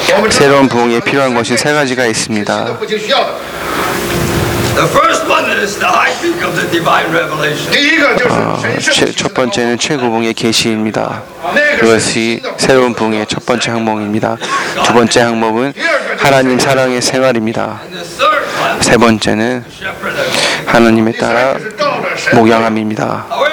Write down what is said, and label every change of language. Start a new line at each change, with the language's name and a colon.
Korean: 새로운 부흥에 필요한 것이 세 가지가 있습니다.
English: The first one is the high peak of the divine revelation.
Korean: 첫 번째는 최고봉의 계시입니다. 그것이 새로운 봉의 첫 번째 항목입니다. 두 번째 항목은 하나님 사랑의 생활입니다. 세 번째는 하나님에 따라 목양함입니다.